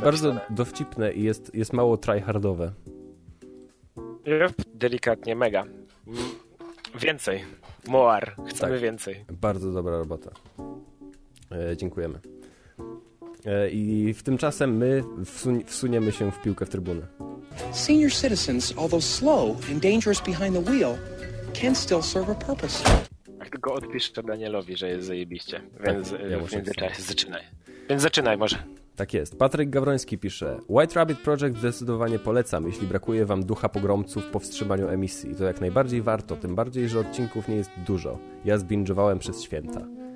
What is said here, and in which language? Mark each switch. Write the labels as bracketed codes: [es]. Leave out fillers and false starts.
[pl] bardzo dowcipne i jest mało tryhardowe. Delikatnie, mega. Więcej. Moar, chcemy tak, więcej. Bardzo dobra robota. Dziękujemy. I w tym czasem my wsuniemy się w piłkę w trybunę. [en] Senior citizens, although slow and dangerous behind the wheel, can still serve a purpose. [pl] Tylko odpiszę Danielowi, że jest zajebiście. Więc tak, ja muszę zaczynaj. Więc zaczynaj może. Tak jest. Patryk Gawroński pisze. White Rabbit Project zdecydowanie polecam, jeśli brakuje wam ducha pogromców po wstrzymaniu emisji. To jak najbardziej warto, tym bardziej, że odcinków nie jest dużo. Ja zbingowałem przez święta.